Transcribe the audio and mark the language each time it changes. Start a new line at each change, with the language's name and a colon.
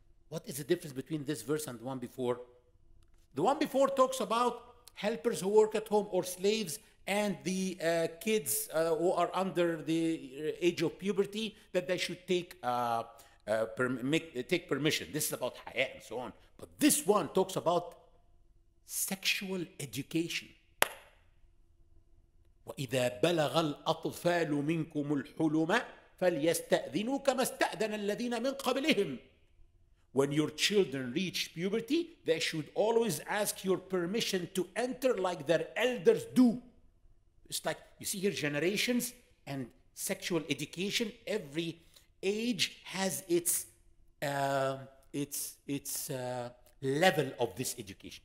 English: What is the difference between this verse and the one before? The one before talks about helpers who work at home or slaves and the kids who are under the age of puberty, that they should take permission. This is about haya and so on. But this one talks about sexual education.
Arabic: وإذا بلغ الأطفال منكم الحلم فليستأذنوا كما استأذن الذين من قبلهم.
English: When your children reach puberty, they should always ask your permission to enter like their elders do. It's like, you see here, generations and sexual education, every age has its level of this education.